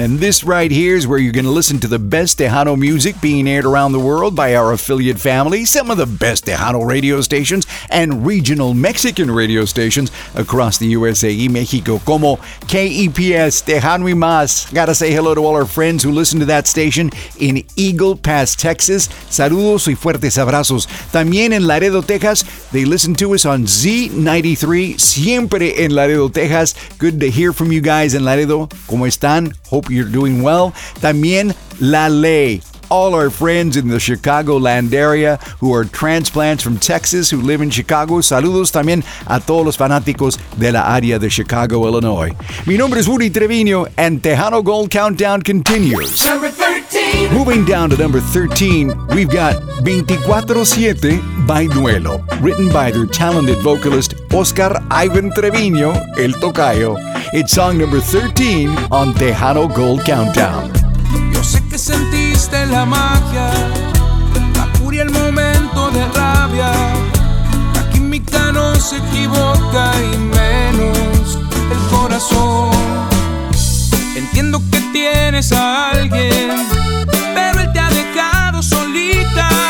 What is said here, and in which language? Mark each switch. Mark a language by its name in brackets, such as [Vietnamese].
[English] And this right here is where you're going to listen to the best Tejano music being aired around the world by our affiliate family, some of the best Tejano radio stations and regional Mexican radio stations across the USA [Spanish] y Mexico, como KEPS, Tejano y Más. [English] Gotta say hello to all our friends who listen to that station in Eagle Pass, Texas. [Spanish] Saludos y fuertes abrazos. También en Laredo, Texas, [English] they listen to us on Z93, [Spanish] siempre en Laredo, Texas. [English] Good to hear from you guys in Laredo. [Spanish] ¿Cómo están? [English] Hope you're doing well. También La Ley. All our friends in the Chicagoland area who are transplants from Texas who live in Chicago. [Spanish] Saludos también a todos los fanáticos de la área de Chicago, Illinois. Mi nombre es [English] Woody Trevino and Tejano Gold Countdown continues. Moving down to number 13, we've got 24/7 by Duelo, written by their talented vocalist Oscar Ivan Trevino, El Tocayo. It's song number 13 on Tejano Gold Countdown. [Spanish] Yo sé que sentiste la magia, la furia, el momento de rabia. La química no se equivoca y menos el corazón. Entiendo que tienes a alguien, pero él te ha dejado solita.